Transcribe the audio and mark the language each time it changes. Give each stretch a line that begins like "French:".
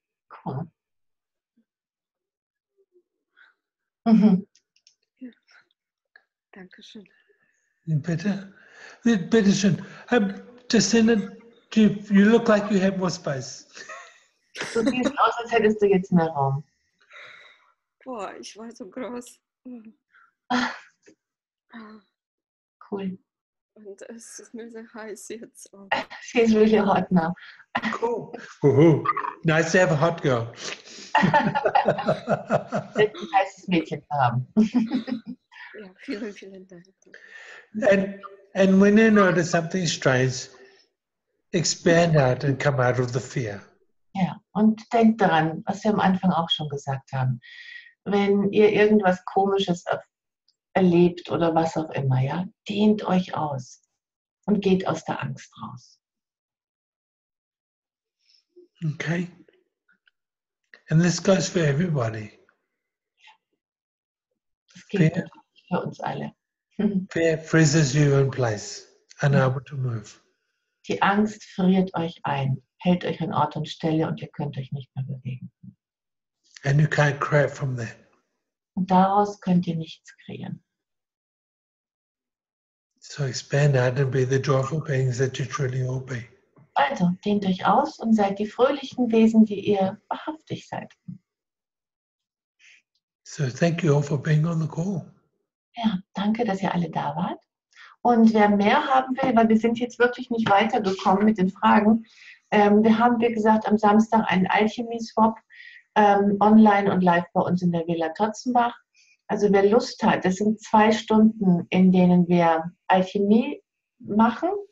English: Cool.
German: Dankeschön. Bitteschön.
English: Justine, you look like you have more space.
German: Du siehst aus, als hättest du jetzt mehr Raum. Boah, ich war so groß.
English: Cool.
German: Und es ist mir sehr heiß jetzt.
English: She's really hot now. Cool. Woohoo. Nice to have a hot girl.
German: Ein heißes Mädchen zu haben. Ja, vielen, vielen Dank.
English: And when you notice something strange, expand out and come out of the fear.
German: Ja, und denk daran, was wir am Anfang auch schon gesagt haben. Wenn ihr irgendwas Komisches erlebt oder was auch immer, ja, dehnt euch aus und geht aus der Angst raus.
English: Okay. And this goes for everybody.
German: Fear, für uns alle.
English: Fear freezes you in place, unable to move.
German: Die Angst friert euch ein, hält euch an Ort und Stelle und ihr könnt euch nicht mehr bewegen.
English: And you can't create from there.
German: Und daraus könnt ihr nichts kreieren.
English: So expand out and be the joyful beings that you truly will be.
German: Also, dehnt euch aus und seid die fröhlichen Wesen, die ihr wahrhaftig seid.
English: So, thank you all for being on the call.
German: Ja, danke, dass ihr alle da wart. Und wer mehr haben will, weil wir sind jetzt wirklich nicht weitergekommen mit den Fragen, wir haben, wie gesagt, am Samstag einen Alchemie-Swap online und live bei uns in der Villa Totzenbach. Also, wer Lust hat, das sind 2 Stunden, in denen wir Alchemie machen.